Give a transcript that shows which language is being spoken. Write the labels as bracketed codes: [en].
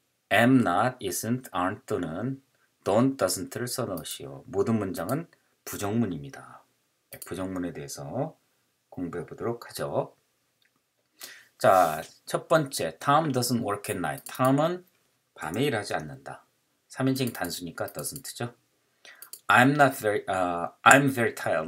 [ko] am not, isn't, aren't 또는 don't, doesn't를 써놓으시오. 모든 문장은 부정문입니다. 부정문에 대해서 공부해 보도록 하죠. 자, 첫 번째, [en] Tom doesn't work at night. [ko] Tom은 밤에 일하지 않는다. 3인칭 단수니까 doesn't죠. [en] I'm not very, I'm very tired.